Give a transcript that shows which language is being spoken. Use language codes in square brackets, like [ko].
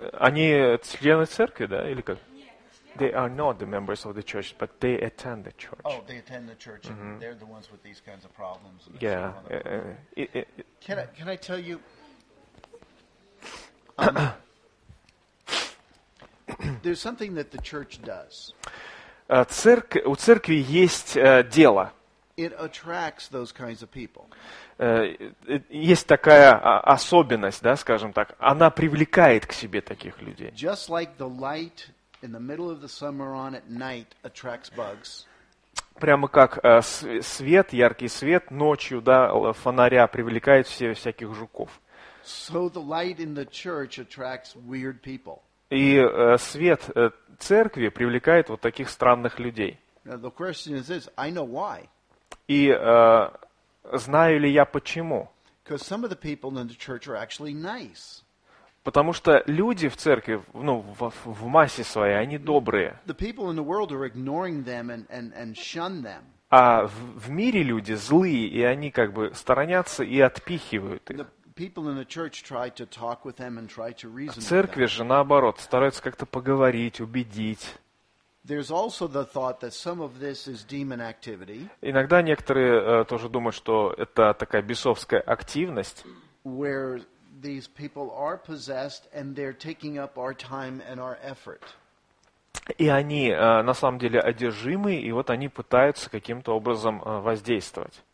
[ru] Они члены церкви, да, или как? [en] They are not the members of the church, but they attend the church. Oh, they attend the church, and mm-hmm. they're the ones with these kinds of problems. And yeah. Can I tell you? there's something that the church does. [ru] У церкви есть дело. [en] It attracts those kinds of people. [ru] Есть такая особенность, да, скажем так. Она привлекает к себе таких людей. [en] Just like the light. In the middle of the summer on at night attracts bugs. [ru] Прямо как свет, яркий свет ночью, да, фонаря привлекает все всяких жуков. [en] So the light in the church attracts weird people. [ru] И свет церкви привлекает вот таких странных людей. [en] Now the question is this, I know why. [ru] И знаю ли я почему? [en] Because some of the people in the church are actually nice. [ru] Потому что люди в церкви, ну, в массе своей, они добрые. [en] The people in the world are ignoring them and shun them. [ru] А в мире люди злые, и они как бы сторонятся и отпихивают их. [en] The people in the church try to talk with them and try to reason with them. [ru] Церкви же, наоборот, стараются как-то поговорить, убедить. [en] There's also the thought that some of this is demon activity. [ru] Иногда некоторые тоже думают, что это такая бесовская активность. [en] Where these people are possessed and they're taking up our time and our effort. [ru] И они на самом деле одержимы, и вот они пытаются каким-то образом воздействовать.